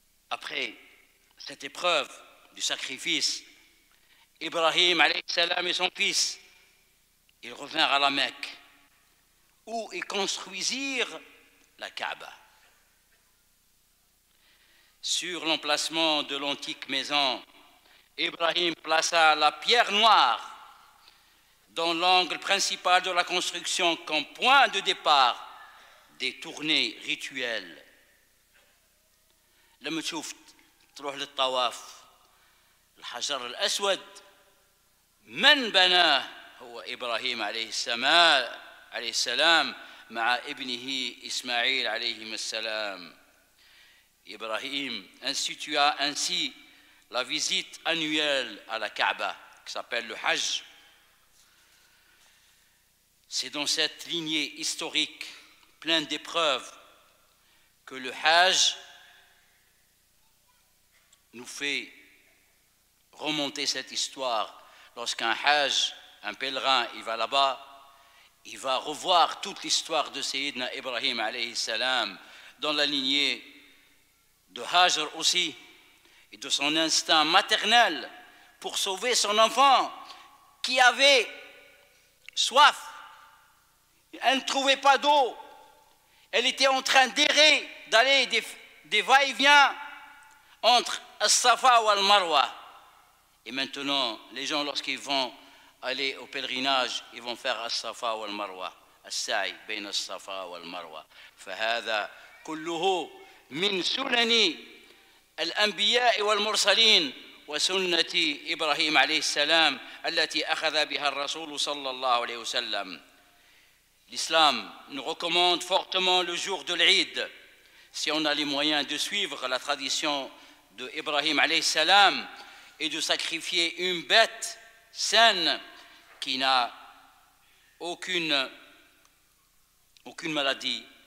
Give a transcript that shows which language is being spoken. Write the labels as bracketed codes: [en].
[fr] Après cette épreuve du sacrifice, Ibrahim alayhi salam et son fils, ils revinrent à la Mecque où ils construisirent la Kaaba sur l'emplacement de l'antique maison. Ibrahim plaça la pierre noire dans l'angle principal de la construction comme point de départ des tournées rituelles. [ar] لما تشوف تروح للطواف الحجر الأسود من بناه هو إبراهيم عليه السلام مع ابنه إسماعيل عليهما السلام. [fr] إبراهيم institua ainsi la visite annuelle à la Kaaba, qui s'appelle le Hajj. C'est dans cette lignée historique, pleine d'épreuves, que le Hajj nous fait remonter cette histoire. Lorsqu'un Hajj, un pèlerin, il va là-bas, il va revoir toute l'histoire de Sayyidina Ibrahim, alayhi salam, dans la lignée de Hajr aussi, et de son instinct maternel pour sauver son enfant qui avait soif. Elle ne trouvait pas d'eau. Elle était en train d'errer, d'aller des va-et-vient entre As-Safa ou Al-Marwa. Et maintenant, les gens, lorsqu'ils vont aller au pèlerinage, ils vont faire As-Safa ou Al-Marwa. [ar] As-Sa'i, bain As-Safa ou Al-Marwa. Fahada kulluhu min sunani الأنبياء والمرسلين وسنة إبراهيم عليه السلام التي أخذ بها الرسول صلى الله عليه وسلم. [fr] L'islam nous recommande fortement le jour de l'Eid, si on a les moyens, de suivre la tradition de Ibrahim عليه السلام et de sacrifier une bête saine qui n'a aucune maladie.